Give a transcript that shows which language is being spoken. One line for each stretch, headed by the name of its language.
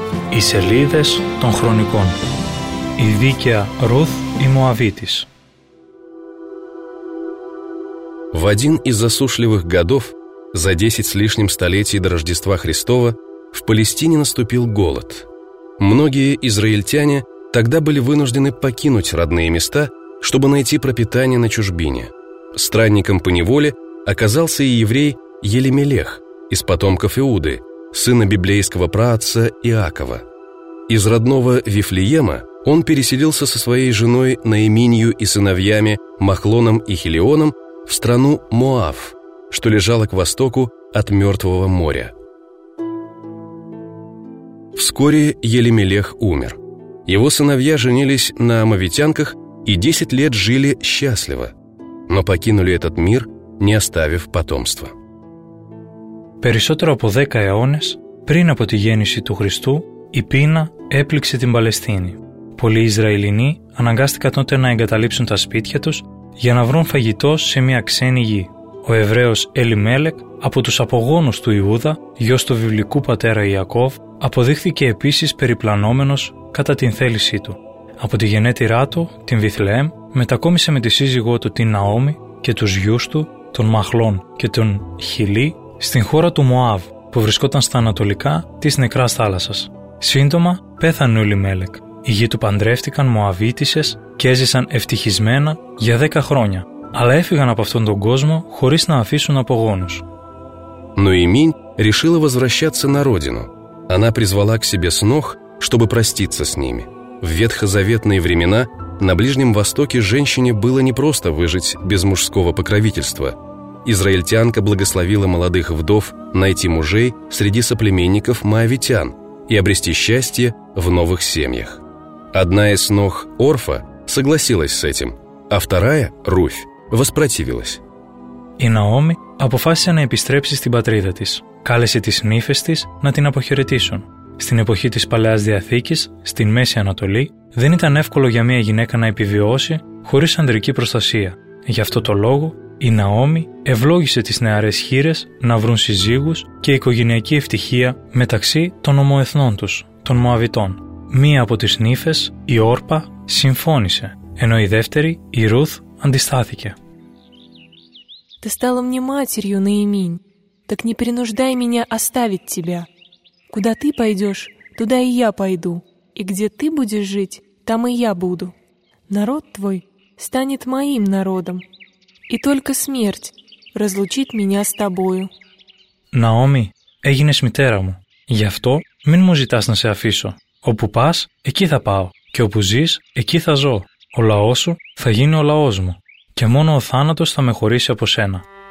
Greek: Οι σελίδες των χρονικών. Η δίκαια Ρουθ η Μωαβίτης.
Russian: В один из засушливых годов, за 10 с лишним столетий до Рождества Христова, в Палестине наступил голод. Многие израильтяне тогда были вынуждены покинуть родные места, чтобы найти пропитание на чужбине. Странником по неволе оказался и еврей Елимелех из потомков Иуды, сына библейского праотца Иакова. Из родного Вифлеема он переселился со своей женой Наиминью и сыновьями Махлоном и Хелионом в страну Моав, что лежало к востоку от Мертвого моря. Вскоре Елимелех умер. Его сыновья женились на моавитянках и 10 лет жили счастливо. Но покинули этот мир, не оставив потомства.
Greek: Περισσότερο από 10 αιώνες πριν από τη γέννηση του Χριστού, η πείνα έπληξε την Παλαιστίνη. Πολλοί Ισραηλινοί αναγκάστηκαν τότε να εγκαταλείψουν τα σπίτια τους για να βρουν φαγητό σε μια ξένη γη. Ο Εβραίος Ελιμέλεκ, από τους απογόνους του Ιούδα, γιος του βιβλικού πατέρα Ιακώβ, αποδείχθηκε επίσης περιπλανόμενος κατά την θέλησή του. Από τη γενέτειρά του, την Βιθλεέμ, μετακόμισε με τη σύζυγό του την Ναόμη και τους γιους του, τον Μαχλών και τον Χιλή, στην χώρα του Μωάβ, που βρισκόταν στα ανατολικά της Νεκράς Θάλασσας. Σύντομα πέθανε ο Ελιμέλεκ. Οι γη του παντρεύτηκαν Μωαβίτισες και έζησαν ευτυχισμένα για 10 χρόνια. Αλλά έφυγαν από αυτόν τον κόσμο χωρίς να αφήσουν απογόνους.
Russian: Νοημίνь решила возвращаться на родину. Она призвала к себе снох, чтобы проститься с ними. В ветхозаветные времена на Ближнем Востоке женщине было непросто выжить без мужского покровительства. Израильтянка благословила молодых вдов найти мужей среди соплеменников моавитян и обрести счастье в новых семьях. Одна из снох, Орфа, согласилась с этим, а вторая, Руфь, воспротивилась.
Greek: И Наоми αποφάσισε να επιστρέψει στην πατρίδα της. Κάλεσε τις νύφες της να την αποχαιρετήσουν. Στην εποχή της Παλαιάς Διαθήκης, στην Μέση Ανατολή, δεν ήταν εύκολο για μια γυναίκα να επιβιώσει χωρίς ανδρική προστασία. Γι' αυτό το λόγο, η Ναόμη ευλόγησε τις νεαρές χείρες να βρουν συζύγους και οικογενειακή ευτυχία μεταξύ των ομοεθνών τους, των Μωαβιτών. Μία από τις νύφες, η Όρπα, συμφώνησε, ενώ η δεύτερη, η Ρουθ, αντιστάθηκε.
Russian: Ты стала мне матерью, Наиминь, так не принуждай меня оставить тебя. Куда ты пойдешь, туда и я пойду, и где ты будешь жить, там и я буду. Народ твой станет моим народом, и только смерть разлучит меня с тобою.
Greek: Наоми, έγινες μητέρα μου, γι' αυτό μην μου ζητάς να σε αφήσω. Όπου πας, εκεί θα πάω, και όπου ζεις, εκεί θα ζω. Ο λαός σου θα γίνει ο λαός μου. Και μόνο ο θάνατος θα με χωρίσει από σένα.